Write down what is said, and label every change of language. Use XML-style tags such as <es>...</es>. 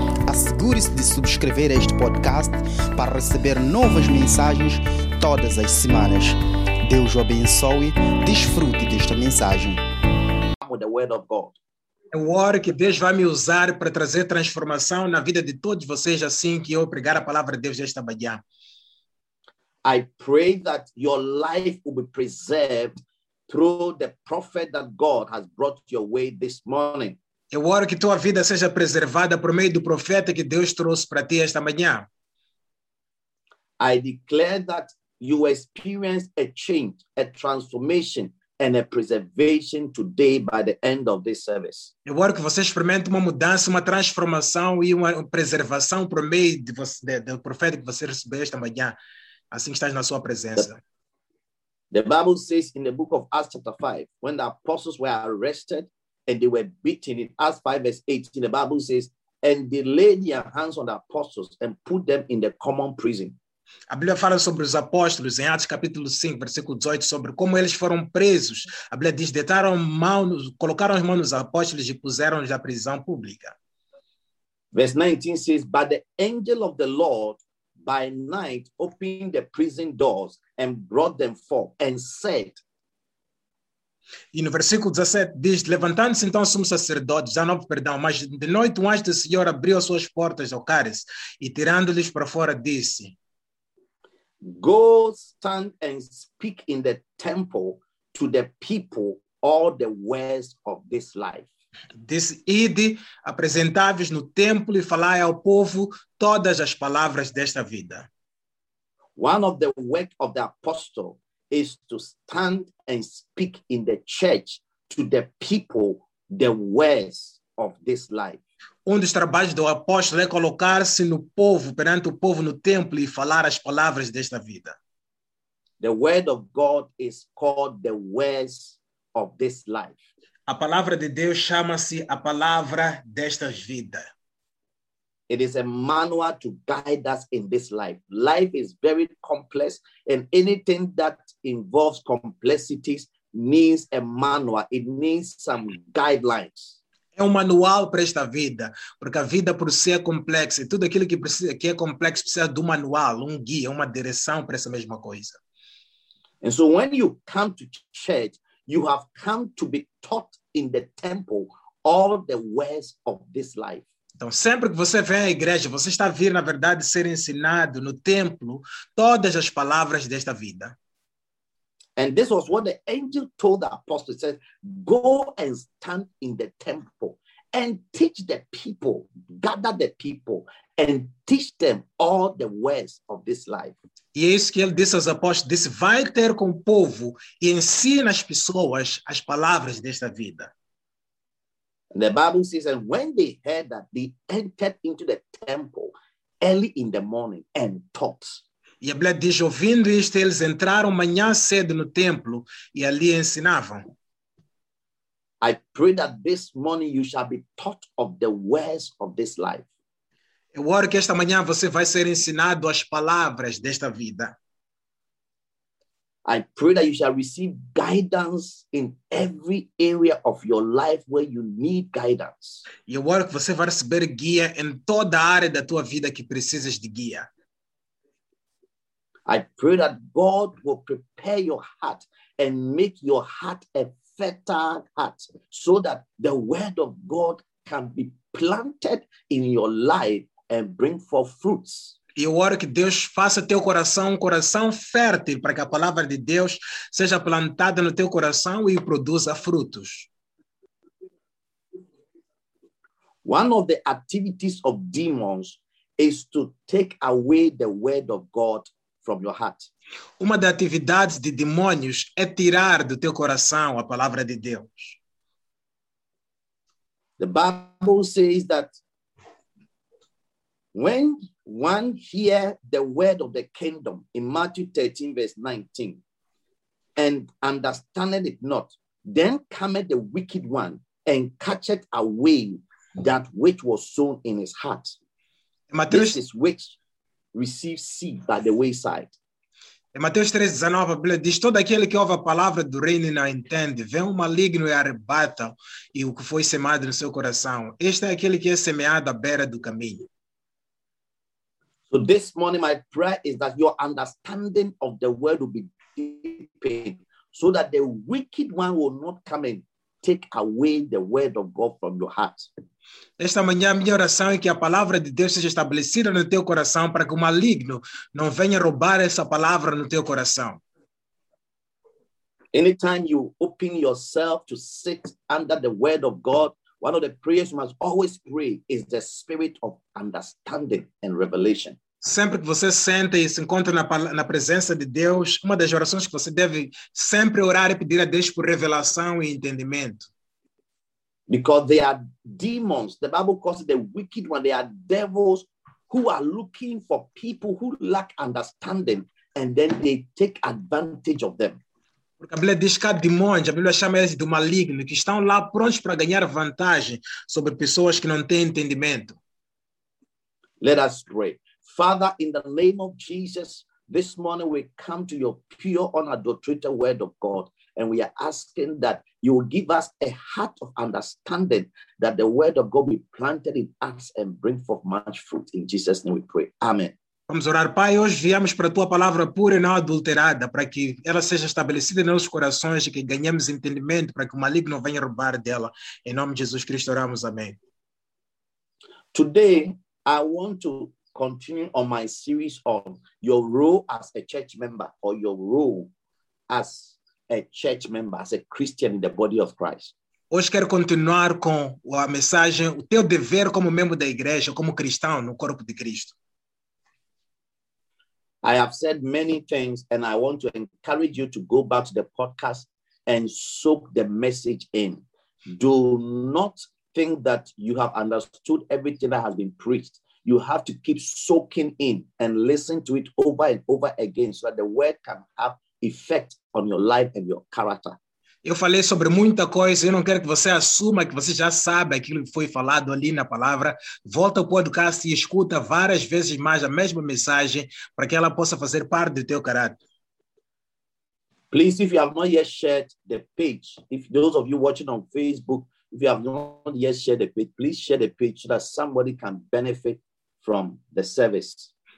<pt>Assegure-se de subscrever este podcast para receber novas mensagens todas as semanas. Deus o abençoe. Desfrute desta mensagem.</pt> <en>The word of God.</en> <pt>É o oro que Deus vai me usar para trazer transformação na vida de todos vocês assim que eu pregar a palavra de Deus esta manhã.</pt> <en>I pray that your life will be preserved through the prophet that God has brought your way this morning.</en> <pt>Eu oro que tua vida seja preservada por meio do profeta que Deus trouxe para ti esta manhã.</pt> <en>I declare that you experience a change, a transformation, and a preservation today by the end of this service.</en> <pt>Eu oro que você experimente uma mudança, uma transformação e uma preservação por meio de você, do profeta que você recebeu esta manhã, assim que estás na sua presença.</pt> <en>The Bible says in the book of Acts chapter 5, when the apostles were arrested and they were beaten, in Acts 5 verse 18, the Bible says, and they laid their hands on the apostles and put them in the common prison.</en> <pt>A Bíblia fala sobre os apóstolos em Atos capítulo 5, versículo 18, sobre como eles foram presos. A Bíblia diz, deitaram mãos, colocaram as mãos nos apóstolos e puseram-nos na prisão pública.</pt> <en>Verse 19 says, but the angel of the Lord by night opened the prison doors and brought them forth and said.</en> <pt>E no versículo 17 diz, levantando-se então sumo sacerdote, já não, perdão, mas de noite um anjo do Senhor abriu as suas portas ao cárcere e tirando-lhes para fora disse.</pt> <en>Go stand and speak in the temple to the people all the words of this life.</en> <pt>Diz, ide, apresentai-vos no templo e falai ao povo todas as palavras desta vida.</pt> <en>One of the work of the apostle is to stand and speak in the church to the people the words of this life.</en> <pt>Um dos trabalhos do apóstolo é colocar-se no povo, perante o povo no templo e falar as palavras desta vida.</pt> <en>The word of God is called the words of this life.</en> <pt>A palavra de Deus chama-se a palavra desta vida.</pt> <en>It is a manual to guide us in this life. Life is very complex and anything that involves complexities needs a manual. It needs some guidelines.</en> <pt>É um manual para esta vida, porque a vida por si é complexa e tudo aquilo que, precisa, que é complexo precisa de um manual, um guia, uma direção para essa mesma coisa.</pt> <en>And so when you come to church, you have come to be taught in the temple all the ways of this life.</en> <pt>Então, sempre que você vem à igreja, você está a vir, na verdade, ser ensinado no templo todas as palavras desta vida.</pt> <en>And this was what the angel told the apostles, said, go and stand in the temple and teach the people, gather the people and teach them all the ways of this life.</en> <pt>E é isso que ele disse aos apóstolos, disse, vai ter com o povo e ensina as pessoas as palavras desta vida.</pt> <en>And the Bible says, and when they heard that, they entered into the temple early in the morning and taught.</en> <pt>E a Bíblia diz, ouvindo isto, eles entraram manhã cedo no templo e ali ensinavam.</pt> <en>I pray that this morning you shall be taught of the words of this life.</en> <pt>Eu oro que esta manhã você vai ser ensinado as palavras desta vida.</pt> <en>I pray that you shall receive guidance in every area of your life where you need guidance.</en> <pt>E eu oro que você vai receber guia em toda a área da tua vida que precisas de guia.</pt> <en>I pray that God will prepare your heart and make your heart a fertile heart so that the word of God can be planted in your life and bring forth fruits.</en> <pt>Eu oro que Deus faça teu coração um coração fértil para que a palavra de Deus seja plantada no teu coração e produza frutos.</pt> <en>One of the activities of demons is to take away the word of God from your heart.</en> <pt>Uma das atividades de demônios é tirar do teu coração a palavra de Deus.</pt> <en>The Bible says that when one hear the word of the kingdom in Matthew 13 verse 19 and understandeth it not, then cometh the wicked one and catcheth away that which was sown in his heart.</en> <pt>Mateus,</pt> <en>this is which receive seed by the wayside.</en> <pt>Em Mateus 3:19, a Bíblia diz: todo aquele que ouve a palavra do reino e não entende, vem o maligno e arrebata e o que foi semeado no seu coração. Este é aquele que é semeado à beira do caminho.</pt> <en>So this morning my prayer is that your understanding of the word will be deepened, so that the wicked one will not come and take away the word of God from your heart.</en> <pt>Esta manhã a minha oração é que a palavra de Deus seja estabelecida no teu coração para que o maligno não venha roubar essa palavra no teu coração.</pt> <en>Anytime you open yourself to sit under the word of God, one of the prayers you must always pray is the spirit of understanding and revelation.</en> <pt>Sempre que você senta e se encontra na presença de Deus, uma das orações que você deve sempre orar e pedir a Deus por revelação e entendimento.</pt> <en>Because they are demons. The Bible calls it the wicked one. They are devils who are looking for people who lack understanding and then they take advantage of them.</en> <pt>Porque a Bíblia diz que há demônios, a Bíblia chama eles de maligno, que estão lá prontos para ganhar vantagem sobre pessoas que não têm entendimento.</pt> <en>Let us pray. Father, in the name of Jesus, this morning we come to your pure, unadulterated word of God. And we are asking that you will give us a heart of understanding, that the word of God be planted in us and bring forth much fruit. In Jesus' name we pray. Amen.</en> <pt>Vamos orar, Pai. Hoje viemos para a tua palavra pura e não adulterada, para que ela seja estabelecida em nossos corações e que ganhemos entendimento, para que o maligno venha roubar dela. Em nome de Jesus Cristo, oramos. Amém.</pt> <en>Today, I want to continue on my series on your role as a church member, or your role as a church member, as a Christian in the body of Christ.</en> <pt>Hoje quero continuar com a mensagem, o teu dever como membro da igreja, como cristão no corpo de Cristo.</pt> <en>I have said many things and I want to encourage you to go back to the podcast and soak the message in. Do not think that you have understood everything that has been preached. You have to keep soaking in and listen to it over and over again so that the word can have effect on your life and your character.</en> <pt>Eu falei sobre muita coisa, eu não quero que você assuma que você já sabe aquilo que foi falado ali na palavra. Volta ao podcast e escuta várias vezes mais a mesma mensagem para que ela possa fazer parte do teu caráter.</pt> <en>Please, if you have not yet shared the page, if those of you watching on Facebook, if you have not yet shared the page, please share the page so that somebody can benefit from the service.</en>